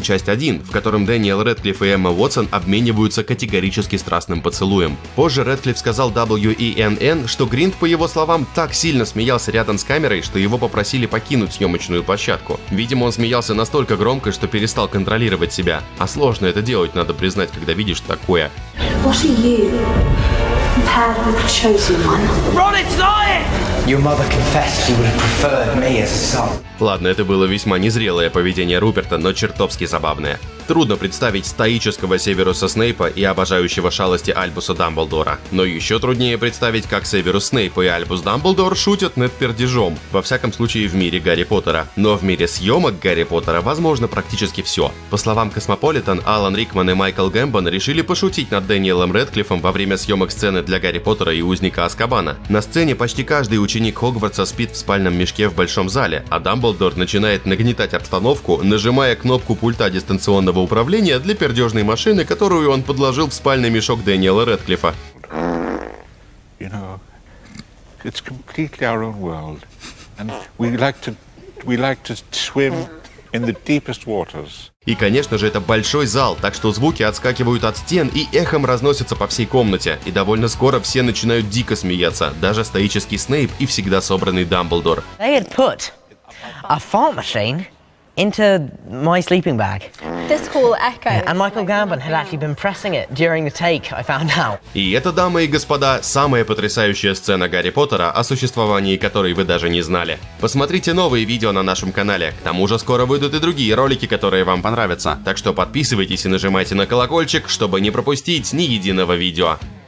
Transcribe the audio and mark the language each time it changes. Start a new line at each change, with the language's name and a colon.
Russian: Часть 1», в котором Дэниел Рэдклифф и Эмма Уотсон обмениваются категорически страстным поцелуем. Позже Рэдклифф сказал WENN, что Гринт, по его словам, так сильно смеялся рядом с камерой, что его попросили покинуть съемочную площадку. Видимо, он смеялся настолько громко, что перестал контролировать себя. А сложно это делать, надо признать. Знать, когда видишь такое.
English: What are you? Compared with the chosen one. Ron, it's not it! Your mother confessed she would have preferred me as a son.
Russian: Ладно, это было весьма незрелое поведение Руперта, но чертовски забавное. Трудно представить стоического Северуса Снейпа и обожающего шалости Альбуса Дамблдора. Но еще труднее представить, как Северус Снейп и Альбус Дамблдор шутят над пердежом. Во всяком случае, в мире Гарри Поттера. Но в мире съемок Гарри Поттера возможно практически все. По словам Космополитен, Алан Рикман и Майкл Гэмбон решили пошутить над Дэниелом Рэдклиффом во время съемок сцены для Гарри Поттера и Узника Азкабана. На сцене почти каждый ученик Хогвартса спит в спальном мешке в большом зале, а Дамблдор начинает нагнетать обстановку, нажимая кнопку пульта дистанционного управления для пердежной машины, которую он подложил в спальный мешок Дэниела Рэдклиффа.
English: You know, it's completely our own world, and we like to swim in the deepest waters.
Russian: И, конечно же, это большой зал, так что звуки отскакивают от стен и эхом разносятся по всей комнате. И довольно скоро все начинают дико смеяться, даже стоический Снейп и всегда собранный Дамблдор.
English: They had put a fart machine into my sleeping bag. This whole echo. And Michael Gambon had actually been pressing it during the take, I found out.
Russian: И это, дамы и господа, самая потрясающая сцена Гарри Поттера, о существовании которой вы даже не знали. Посмотрите новые видео на нашем канале. К тому же скоро выйдут и другие ролики, которые вам понравятся. Так что подписывайтесь и нажимайте на колокольчик, чтобы не пропустить ни единого видео.